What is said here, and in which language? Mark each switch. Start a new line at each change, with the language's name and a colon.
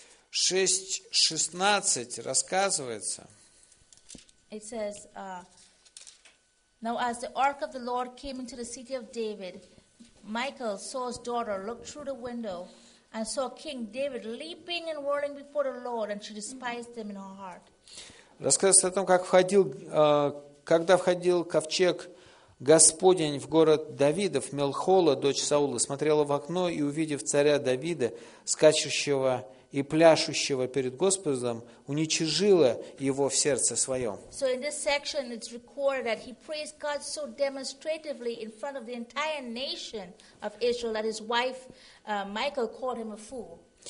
Russian: 6:16 рассказывается.
English: It says, "Now as the ark of the Lord came into the city of David, Michal, Saul's daughter, looked through the window and saw King David leaping and whirling before the Lord, and she despised him in her heart."
Russian: Рассказывается о том, как входил, когда входил ковчег Господень в город Давидов, Мелхола, дочь Саула, смотрела в окно и, увидев царя Давида, скачущего и пляшущего перед Господом, уничижила его в сердце своем.
English: So in this section it's recorded that he praised God so demonstratively in front of the entire nation of Israel that his wife Michal called him a fool.